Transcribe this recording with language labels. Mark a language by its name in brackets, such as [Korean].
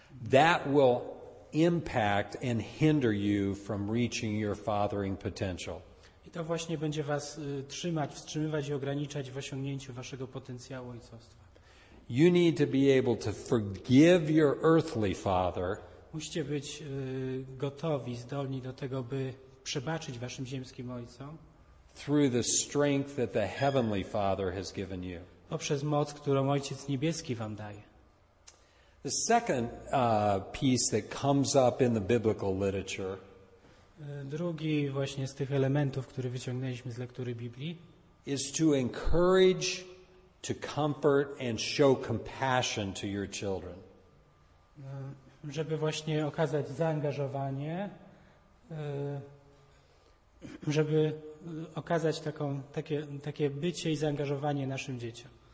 [English] That will impact and hinder you from reaching your fathering potential. [Polish] I to właśnie będzie was trzymać, wstrzymywać i ograniczać w osiągnięciu waszego potencjału ojcostwa. [English] You need to be able to forgive your earthly father. [Polish] Musicie być gotowi, zdolni do tego, by przebaczyć waszym ziemskim ojcom. [English] Through the strength that the heavenly father has given you. [Polish] Poprzez moc, którą Ojciec Niebieski wam daje. [English] The second piece that comes up in the biblical literature. [Polish] Drugi właśnie z tych elementów, który wyciągnęliśmy z lektury Biblii, [English] is to encourage, to comfort and show compassion to your children. [Polish] żeby właśnie okazać zaangażowanie, żeby okazać takie bycie i zaangażowanie naszym dzieciom.